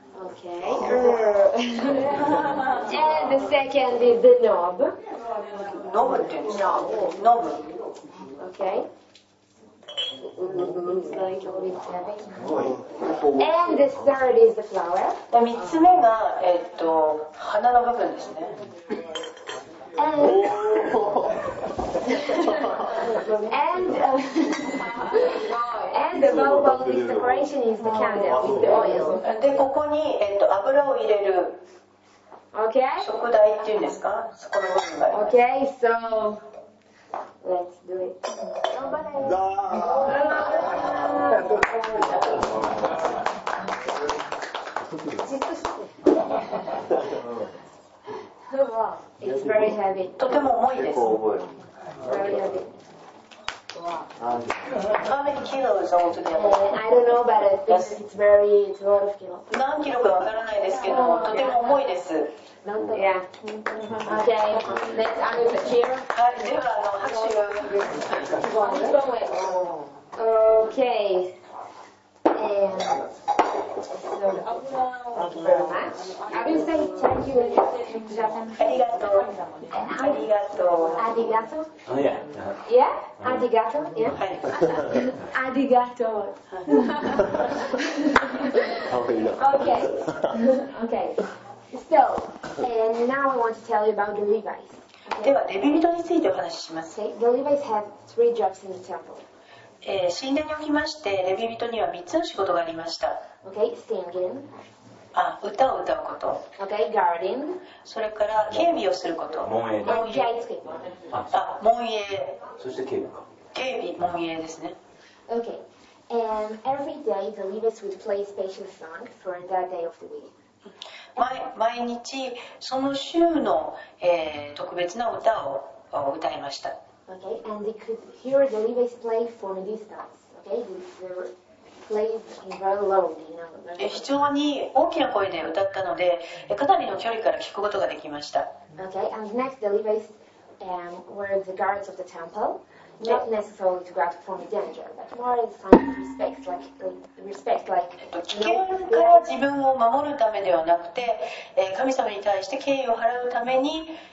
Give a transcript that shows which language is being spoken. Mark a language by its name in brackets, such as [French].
[English] Okay. And the second is the knob. [Japanese] ノブって言うんですか？ノブ。 [English] Okay. And the third is the flower. [Japanese] 三つ目が花の部分ですね。 [English] And the bow of all this decoration is the candle with the oil. [Japanese] で、ここに油を入れる。 [English] Okay. [Japanese] 燭台っていうんですか？そこの部分が。 [English] Okay, so Let's do it. It's very heavy. [Japanese] とても重いです。結構重い。 [English] Very heavy. How many kilos altogether? I don't know, but I think it's very, it's a lot of kilos. [Japanese] 何キロかわからないですけど、とても重いです。 [English] Yeah. Okay. Let's add it here. [Japanese] はい、では、拍手 [English] を。Okay. And so, thank you very much. I will say thank you in Japan. [Japanese] Arigato. Arigato. Arigato. [English] Oh, yeah. Yeah? Arigato. Yeah? [Japanese] Arigato. [English] Okay. Okay. So, and now I want to tell you about the Levites. [Japanese] ではレビ人についてお話しします。 [English] The Levites have three jobs in the temple. [Japanese] 神殿におきましてレビ人には3つの仕事がありました。 [English] Okay, singing. [Japanese] あ、歌を歌うこと。 [English] Okay, guarding. [Japanese] それから警備をすること。門 [English] 営。Okay, it's [Japanese] good. あ、門営。そして警備か。警備、門営ですね。 [English] Okay, and every day the Levites would play special song for that day of the week. [Japanese] 毎日その週の、特別な歌を歌いました。 [English] Okay, and they could hear the Levites play from a distance. Okay, they played very loud, you know. [Japanese] 非常に大きな声で歌ったので、かなりの距離から聞くことができました。 [English] Okay, and next the Levites were the guards of the temple, not necessarily to guard from the danger, but more in some respects, like [Japanese] 危険から自分を守るためではなくて、神様に対して敬意を払うために。